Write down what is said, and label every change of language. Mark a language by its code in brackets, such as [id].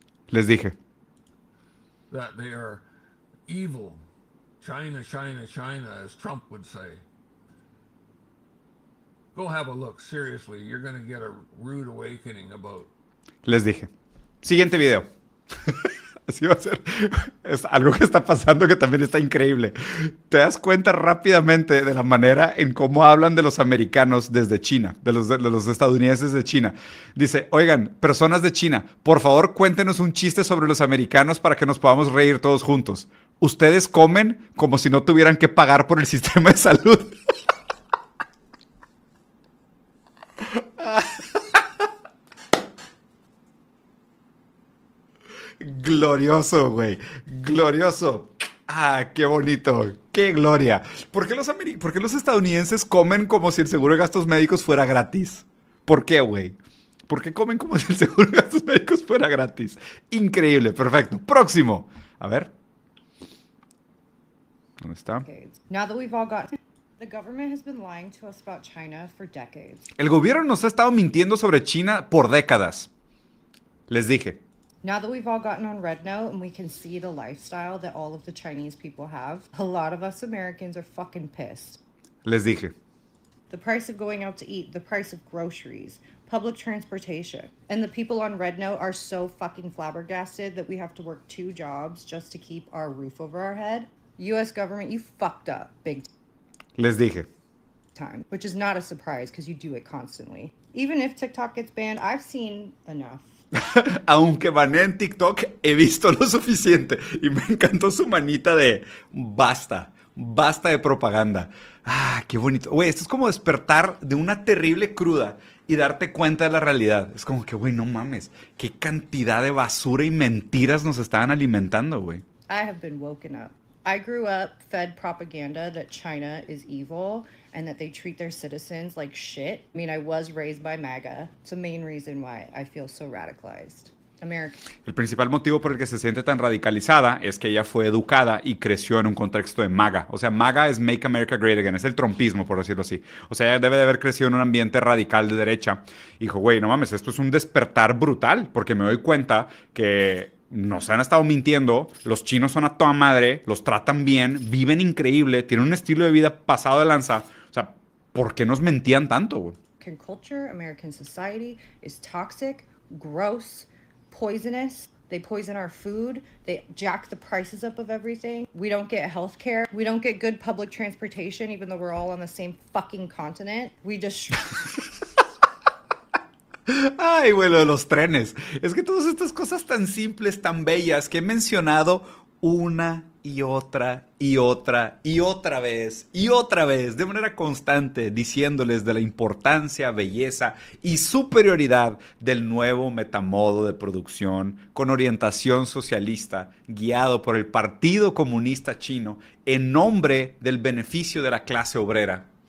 [es] Les dije. [en] That they are evil. China, China, China, as Trump would say. Go have a look, seriously. You're going to get a rude awakening about... [es] Les dije. Siguiente video. Así va a ser. Es algo que está pasando que también está increíble. Te das cuenta rápidamente de la manera en cómo hablan de los americanos desde China, de los estadounidenses de China. Dice, oigan, personas de China, por favor cuéntenos un chiste sobre los americanos para que nos podamos reír todos juntos. Ustedes comen como si no tuvieran que pagar por el sistema de salud. ¡Ja! Glorioso, güey. Glorioso. Ah, qué bonito. Qué gloria. ¿Por qué los estadounidenses comen como si el seguro de gastos médicos fuera gratis? ¿Por qué, güey? ¿Por qué comen como si el seguro de gastos médicos fuera gratis? Increíble, perfecto. Próximo. A ver. ¿Dónde está? [en] Okay. Now that we've all got the government has been lying to us about China for decades. [es] El gobierno nos ha estado mintiendo sobre China por décadas. Les dije. [en] Now that we've all gotten on Red Note and we can see the lifestyle that all of the Chinese people have, a lot of us Americans are fucking pissed. [es] Les dije. [en] The price of going out to eat, the price of groceries, public transportation, and the people on Red Note are so fucking flabbergasted that we have to work two jobs just to keep our roof over our head. US government, you fucked up big [es] Les dije. [en] time, which is not a surprise because you do it constantly. Even if TikTok gets banned, I've seen enough. [es] Aunque baneé en TikTok, he visto lo suficiente y me encantó su manita de basta, basta de propaganda. Ah, qué bonito. Güey, esto es como despertar de una terrible cruda y darte cuenta de la realidad. Es como que, güey, no mames, qué cantidad de basura y mentiras nos estaban alimentando, güey. [en] I have been woken up. I grew up fed propaganda that China is evil and that they treat their citizens like shit. I mean, I was raised by MAGA. It's the main reason why I feel so radicalized. America. [es] El principal motivo por el que se siente tan radicalizada es que ella fue educada y creció en un contexto de MAGA. O sea, MAGA es Make America Great Again, es el trumpismo, por decirlo así. O sea, ella debe de haber crecido en un ambiente radical de derecha. Dijo, güey, no mames, esto es un despertar brutal, porque me doy cuenta que nos han estado mintiendo, los chinos son a toda madre, los tratan bien, viven increíble, tienen un estilo de vida pasado de lanza. O sea, ¿por qué nos mentían tanto, güey? [en] Culture, American society is toxic, gross, poisonous. They poison our food. They jack the prices up of everything. We don't get health care. We don't get good public transportation, even though we're all on the same fucking continent. We just. [es] Ay, bueno, de los trenes. Es que todas estas cosas tan simples, tan bellas, que he mencionado una y otra y otra y otra vez, de manera constante, diciéndoles de la importancia, belleza y superioridad del nuevo metamodo de producción con orientación socialista, guiado por el Partido Comunista Chino, en nombre del beneficio de la clase obrera.